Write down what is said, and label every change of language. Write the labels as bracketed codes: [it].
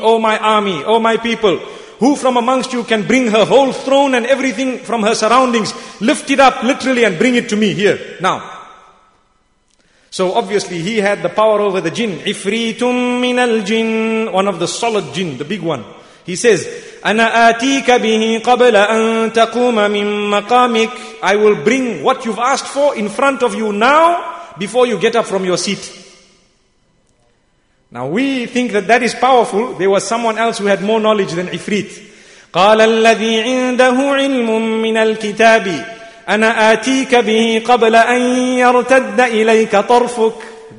[en] Oh my army, oh my people, who from amongst you can bring her whole throne and everything from her surroundings, lift it up literally and bring it to me here, now. So obviously he had the power over the jinn. [ar] عِفْرِيتٌ مِّنَ الْجِنِّ. [en] One of the solid jinn, the big one. He says, [ar] أَنَا آتِيكَ بِهِ قَبْلَ أَن تَقُومَ مِن مَقَامِكَ. [en] I will bring what you've asked for in front of you now, before you get up from your seat. Now we think that that is powerful. There was someone else who had more knowledge than Ifrit. [ar] قَالَ الَّذِي عِنْدَهُ عِلْمٌ مِّنَ الْكِتَابِ أَنَا آتِيكَ بِهِ قَبْلَ أَن يَرْتَدَّ إِلَيْكَ طَرْفُكَ.